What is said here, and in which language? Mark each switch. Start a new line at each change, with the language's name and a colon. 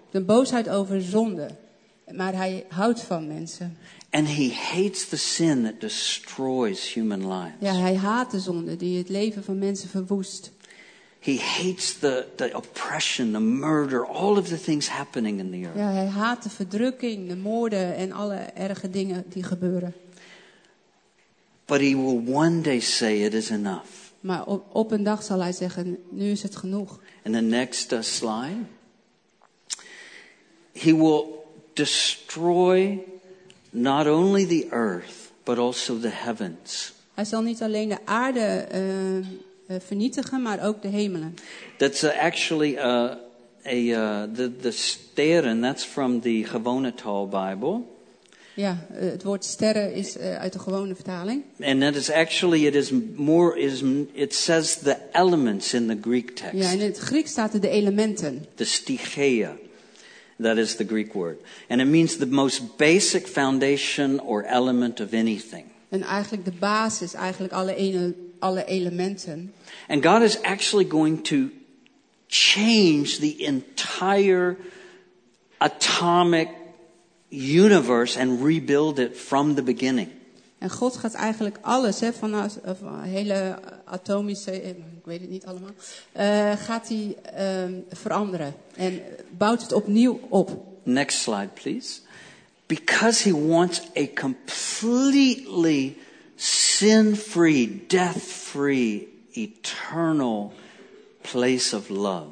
Dutch: De boosheid over zonde, maar hij houdt van mensen.
English: And he hates the sin that destroys human lives.
Dutch: Ja, hij haat de zonde die het leven van mensen verwoest.
English: He hates the oppression, the murder, all of the things happening in the earth.
Dutch: Ja, hij haat de verdrukking, de moorden en alle erge dingen die gebeuren.
English: But he will one day say it is enough.
Dutch: Maar op een dag zal hij zeggen, nu is het genoeg.
English: And the next slide. He will destroy not only the earth, but also the heavens.
Dutch: Hij zal niet alleen de aarde vernietigen, maar ook de hemelen.
English: That's actually the sterren, that's from the Gewone Taal Bible.
Dutch: Ja, het woord sterren is uit de gewone vertaling.
English: And that is actually, it says the elements in the Greek text.
Dutch: Ja, in het Grieks staat er de elementen.
English: The stygia, that is the Greek word. And it means the most basic foundation or element of anything.
Dutch: En eigenlijk de basis, eigenlijk alle elementen.
English: And God is actually going to change the entire atomic universe and rebuild it from the beginning.
Dutch: En God gaat eigenlijk alles, hè, vanuit hele atomische, ik weet het niet allemaal, gaat hij veranderen en bouwt het opnieuw op.
English: Next slide, please. Because he wants a completely sin-free, death-free, eternal place of love.